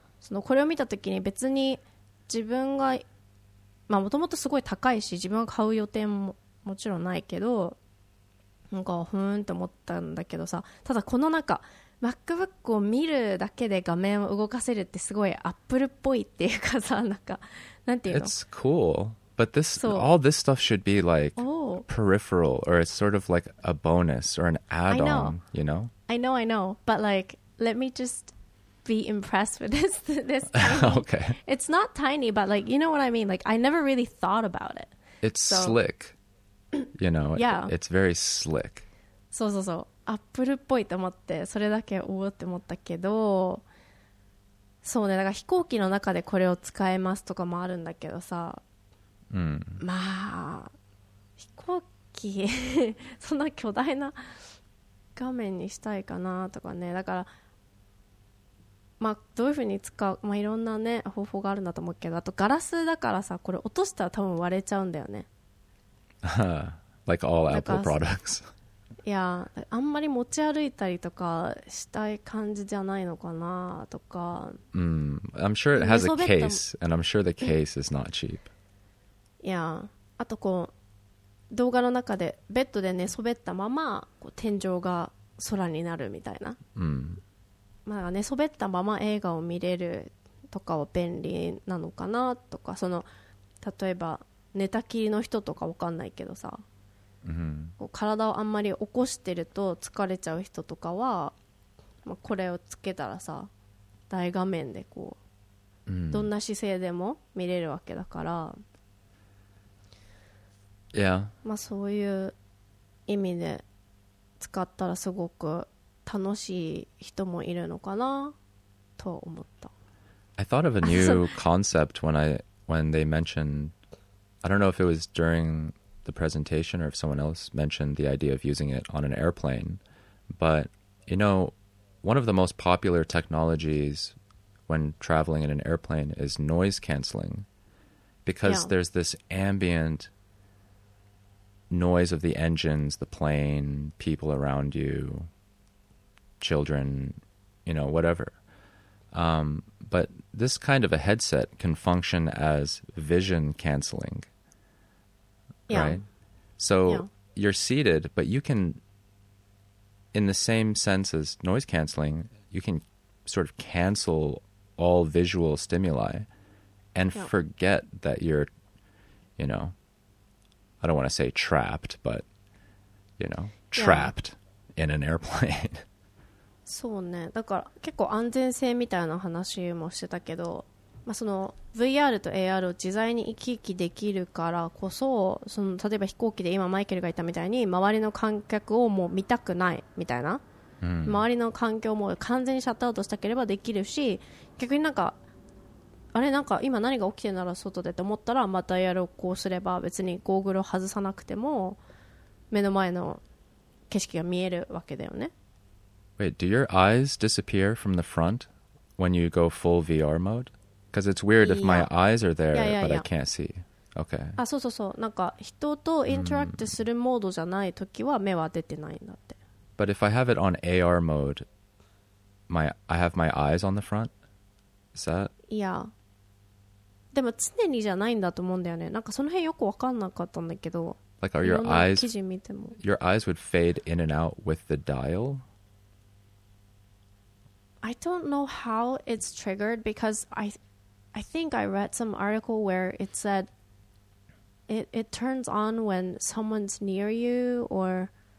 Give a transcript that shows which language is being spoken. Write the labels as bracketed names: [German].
[Japanese] そのこれを見た時に別に自分がまあもともとすごい高いし自分が買う予定ももちろんないけどなんかふーんって思ったんだけどさただこの中MacBook を見るだけで画面を動かせるってすごい Apple っぽいっていうかさ、なんか、なんていうの? [English] It's cool, but this, all this stuff should be like peripheral, or it's sort of like a bonus or an add-on, you know? I know, but like, let me just be impressed with this Okay. It's not tiny, but like, you know what I mean? Like, I never really thought about it. It's so, slick, you know? Yeah. It's very slick. [Japanese] そうそうそう。アップルっぽいと思ってそれだけおーって思ったけどそうねだから飛行機の中でこれを使えますとかもあるんだけどさ、うん、まあ飛行機そんな巨大な画面にしたいかなとかねだからまあどういうふうに使う、まあ、いろんなね方法があるんだと思うけどあとガラスだからさこれ落としたら多分割れちゃうんだよね [English] Like all Apple products [Japanese] いやあんまり持ち歩いたりとかしたい感じじゃないのかなとか、 [English] I'm sure it has a case and I'm sure the case is not cheap [Japanese] いやあとこう動画の中でベッドで寝そべったままこう天井が空になるみたいな、まあ、寝そべったまま映画を見れるとかは便利なのかなとかその例えば寝たきりの人とかわかんないけどさうん、体をあんまり起こしてると疲れちゃう人とかは、まあ、これをつけたらさ大画面でこう、うん、どんな姿勢でも見れるわけだから、 [English] yeah. [Japanese] まあそういう意味で使ったらすごく楽しい人もいるのかなと思った [English] I thought of a new concept when they mentioned I don't know if it was duringthe presentation or if someone else mentioned the idea of using it on an airplane but you know one of the most popular technologies when traveling in an airplane is noise canceling because yeah. there's this ambient noise of the engines the plane people around you children you know whatever but this kind of a headset can function as vision canceling yeah. right? So yeah. you're seated, but you can, in the same sense as noise canceling, you can sort of cancel all visual stimuli and yeah. forget that you're, you know, I don't want to say trapped, but, you know, trapped yeah. in an airplane. [Japanese] そうね。だから結構安全性みたいな話もしてたけど、まあ、その VR と AR を自在に行き来できるからこ そ, その例えば飛行機で今マイケルが言ったみたいに周りの観客をもう見たくないみたいな、うん、周りの環境も完全にシャットアウトしたければできるし逆になんかあれなんか今何が起きてるなら外でと思ったらまた AR をこうすれば別にゴーグルを外さなくても目の前の景色が見えるわけだよね [English] Wait, do your eyes disappear from the front when you go full VR mode? Because it's weird if my eyes are there, yeah. but I can't see. Okay. Ah, so, so, so. [Japanese] なんか人とインタラクトするモードじゃないときは目は出てないんだって。 [English] But if I have it on AR mode, I have my eyes on the front. Is that? Yeah. [Japanese] でも常にじゃないんだと思うんだよね。なんかその辺よく分かんなかったんだけど。 [English] Like are your eyes? [Japanese] 記事見ても。 [English] Your eyes would fade in and out with the dial? I don't know how it's triggered because I think I read some article where it said it turns on when someone's near you or